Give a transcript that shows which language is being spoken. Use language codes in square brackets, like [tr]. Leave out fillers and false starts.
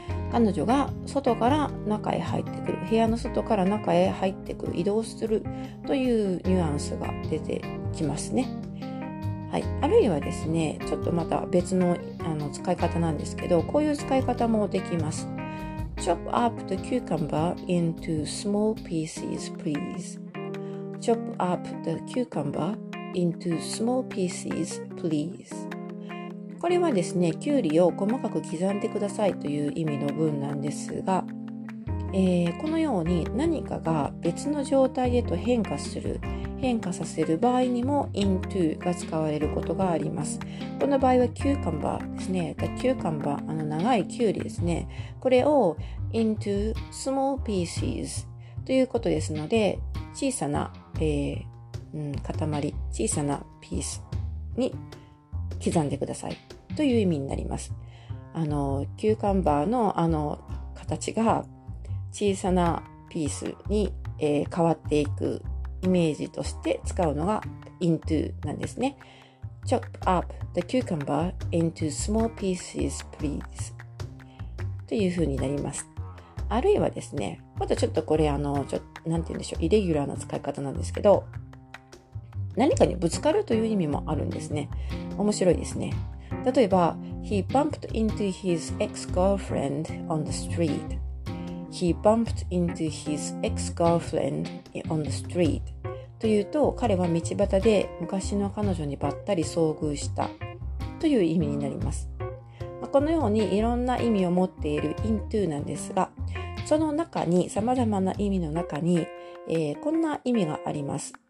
[ja] 彼女が外から中へ入ってくる、部屋の外から中へ入ってくる、移動するというニュアンスが出てきますね。はい、あるいはですね、ちょっとまた別の使い方なんですけど、こういう使い方もできます。 [en] Chop up the cucumber into small pieces, please. Chop up the cucumber into small pieces, please. [ja] これはですね、キュウリを細かく刻んでくださいという意味の文なんですが、このように何かが別の状態へと変化させる場合にも into が使われることがあります。この場合はキューカンバーですね、キューカンバー、長いキュウリですね、これを [en] into small pieces [ja] ということですので、小さな、塊、小さなピースに刻んでくださいという意味になります。キューカンバーの形が小さなピースに、変わっていくイメージとして使うのが into なんですね。 [en] Chop up the cucumber into small pieces, please [ja] という風になります。あるいはですね、またちょっとこれなんて言うんでしょう、イレギュラーな使い方なんですけど、何かにぶつかるという意味もあるんですね。面白いですね。例えば [en] He bumped into his ex-girlfriend on the streetHe bumped into his ex-girlfriend on the street. [ja] というと、彼は道端で昔の彼女にばったり遭遇したという意味になります。このようにいろんな意味を持っている into なんですが、その中に、様々な意味の中に、こんな意味があります。